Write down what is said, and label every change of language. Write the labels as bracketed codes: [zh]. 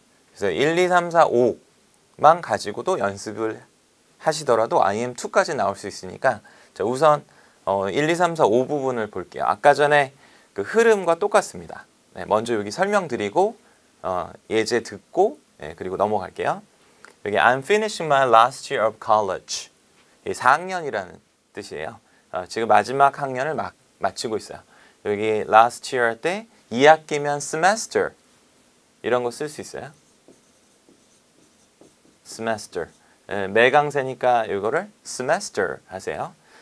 [ko] 그래서 1, 2, 3, 4, 5만 가지고도 연습을 하시더라도 I am 2까지 나올 수 있으니까 자 우선 1, 2, 3, 4, 5 부분을 볼게요. 아까 전에 그 흐름과 똑같습니다. 네, 먼저 여기 설명드리고 예제 듣고 네, 그리고 넘어갈게요. [en] 여기 I'm finishing my last year of college. [ko] 이 4학년이라는 뜻이에요. 지금 마지막 학년을 마치고 있어요. 여기 last year 할 때 2학기면 semester 이런 거 쓸 수 있어요. semester 매강세니까 이거를 semester 하세요.